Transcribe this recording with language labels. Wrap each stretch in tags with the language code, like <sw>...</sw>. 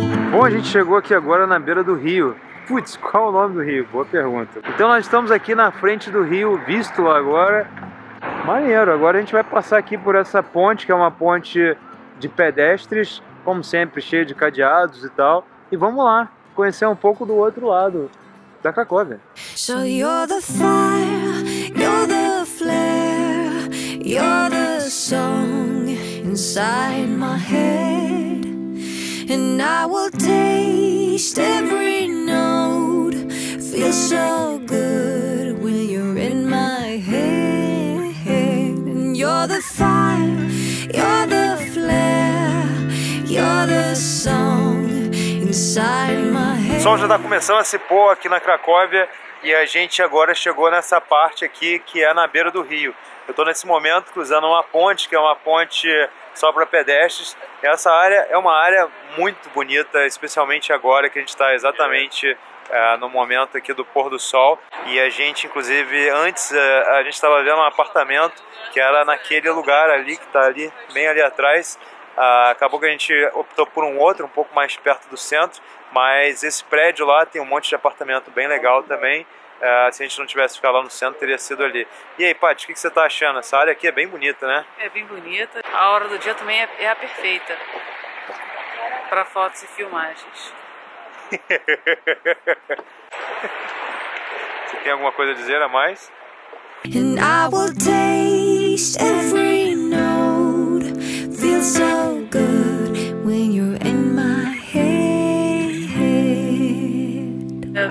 <pt>Bom, a gente chegou aqui agora na beira do rio. Putz, qual o nome do rio? Boa pergunta. Então nós estamos aqui na frente do rio Vístula agora. Maneiro, agora a gente vai passar aqui por essa ponte, que é uma ponte de pedestres, como sempre, cheia de cadeados e tal. E vamos lá, conhecer um pouco do outro lado, da Cracóvia.</pt> <en>So you're the fire, you're the flare, you're the song inside my head. And I will taste every note, feel so good when you're in my head. And you're the fire, you're the flare, you're the song inside my head. O sol já tá começando a se pôr aqui na Cracóvia e a gente agora chegou nessa parte aqui que é na beira do rio.</en> <pt>Eu tô nesse momento cruzando uma ponte, que é uma ponte só para pedestres. Essa área é uma área muito bonita, especialmente agora que a gente está exatamente no momento aqui do pôr do sol. E a gente, inclusive, antes a gente estava vendo um apartamento que era naquele lugar ali, que está ali, bem ali atrás. Acabou que a gente optou por um outro, um pouco mais perto do centro. Mas esse prédio lá tem um monte de apartamento bem legal também. Se a gente não tivesse ficado lá no centro, teria sido ali. E aí, Paty, o que você tá achando? Essa área aqui é bem bonita, né? É bem bonita. A hora do dia também é a perfeita para fotos e filmagens. Você tem alguma coisa a dizer a mais?</pt> <en>And I will taste every note, feel so good when you're in my head.</en>